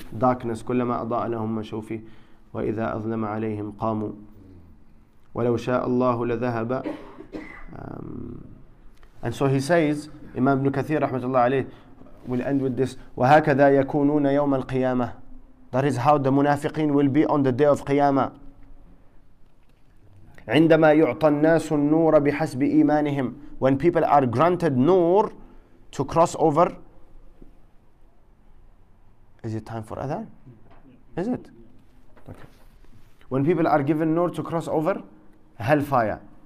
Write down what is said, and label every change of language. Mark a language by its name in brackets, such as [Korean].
[Arabic] Darkness. كُلَّمَا أَضَاءَ لَهُمْ مَشَوْفِي وَإِذَا أَظْلَمَ عَلَيْهِمْ قَامُوا وَلَوْ شَاءَ اللَّهُ لَذَهَبَ. [English] And so he says, Imam Ibn Kathir, rahmatullah alayhi, will end with this. [Arabic] وَهَكَذَا يَكُونُونَ يَوْمَ الْقِيَامَةِ. [English] That is how the munafiqeen will be on the day of Qiyamah. [Arabic] عندما يعطى الناس النور بحسب إيمانهم. [English] When people are granted nur to cross over. Is it time for adhan? Is it? Okay. When people are given nur to cross over hellfire.